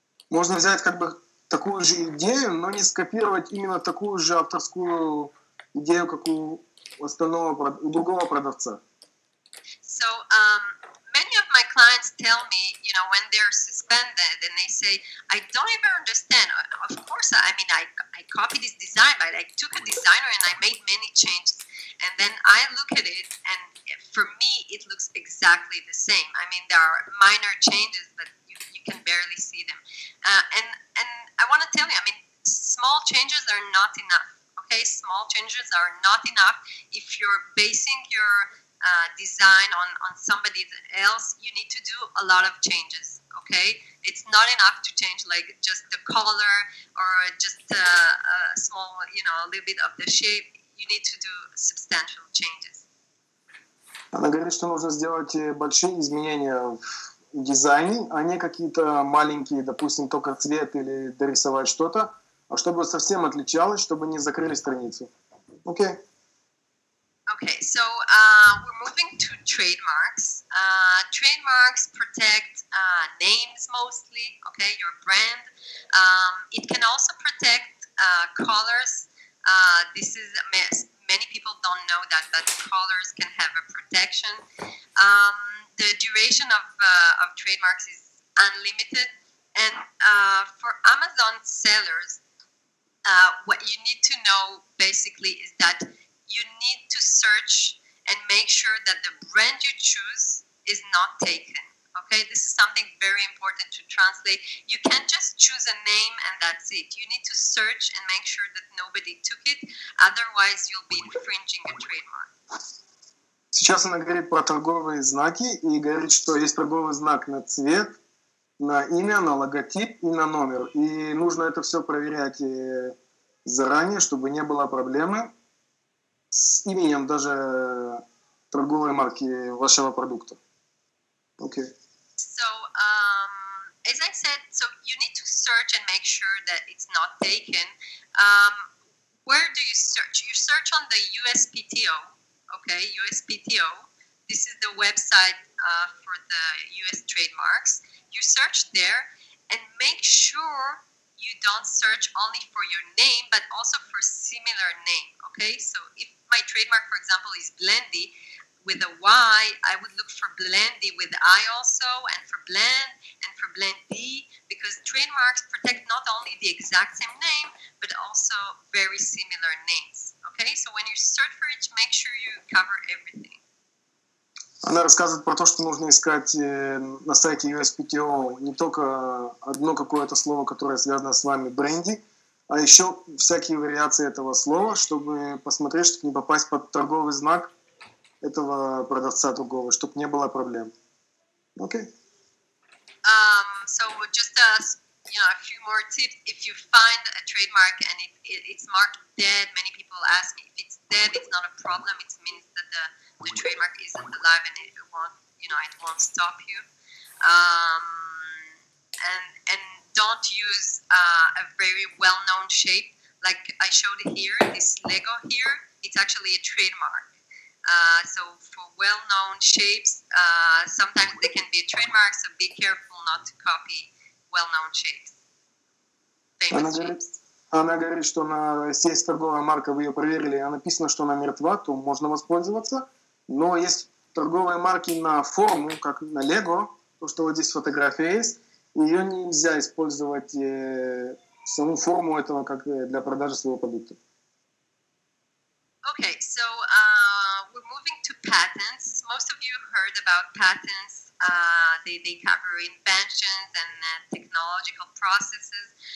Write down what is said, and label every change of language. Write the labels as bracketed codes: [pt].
[ru] Можно взять как бы такую же идею, но не скопировать именно такую же авторскую идею, как у остального, у другого продавца. [en] So many of my clients tell me, you know, when they're suspended and they say, I don't even understand. Of course, I mean, I copied this design, but I took a designer and I made many changes. And then I look at it and for me, it looks exactly the same. I mean, there are minor changes, but you can barely see them. And I want to tell you, I mean, small changes are not enough. Okay, small changes are not enough. If you're basing your design on somebody else, you need to do a lot of changes. Okay, it's not enough to change like just the color or just a small, you know, a little bit of the shape. You need to do substantial changes. [ru] Она говорит, что нужно сделать большие изменения в дизайне, а не какие-то маленькие, допустим, только цвет или дорисовать что-то, а чтобы совсем отличалось, чтобы не закрыли страницу. [en] Okay. Okay, so we're moving to trademarks. Trademarks protect names mostly, okay, your brand. It can also protect colors. This is, many people don't know that, but colors can have a protection. The duration of trademarks is unlimited. And for Amazon sellers, what you need to know basically is that you need to search and make sure that the brand you choose is not taken. Okay, this is something very important to translate. You can't just choose a name and that's it. You need to search and make sure that nobody took it. Otherwise, you'll be infringing a trademark. [ru] Сейчас она говорит про торговые знаки и говорит, что есть торговый знак на цвет, на имя, на логотип и на номер. И нужно это все проверять заранее, чтобы не было проблемы с именем даже торговой марки вашего продукта. [en] Okay. So, as I said, so you need to search and make sure that it's not taken. Where do you search? You search on the USPTO, okay? USPTO. This is the website for the US trademarks. You search there and make sure you don't search only for your name, but also for similar name, okay? So if my trademark, for example, is Blendy with a Y, I would look for Blendy with I also, and for Blend, and for Blendy, because trademarks protect not only the exact same name, but also very similar names. Okay, so when you search for it, make sure you cover everything. [ru] Она рассказывает про то, что нужно искать на сайте USPTO не только одно какое-то слово, которое связано с вами, Бренди, а еще всякие вариации этого слова, чтобы посмотреть, чтобы не попасть под торговый знак этого продавца другого, чтобы не было проблем. Окей. [en] So just you know, a few more tips. If you find a trademark and it's marked dead, many people ask me, if it's dead, it's not a problem. It means that the trademark isn't alive and it won't, you know, it won't stop you. And don't use a very well-known shape, like I showed here, this Lego here, it's actually a trademark. So for well-known shapes, sometimes they can be a trademark, so be careful not to copy well-known shapes. [ru] Она говорит, что она, если есть торговая марка, вы ее проверили, и написано, что она мертва, то можно воспользоваться. Но есть торговые марки на форму, как на Лего, то, что вот здесь фотография есть, ее нельзя использовать, саму форму этого, как для продажи своего продукта. [en] Okay, so we're moving to patents. Most of you heard about patents. They cover inventions and technological processes.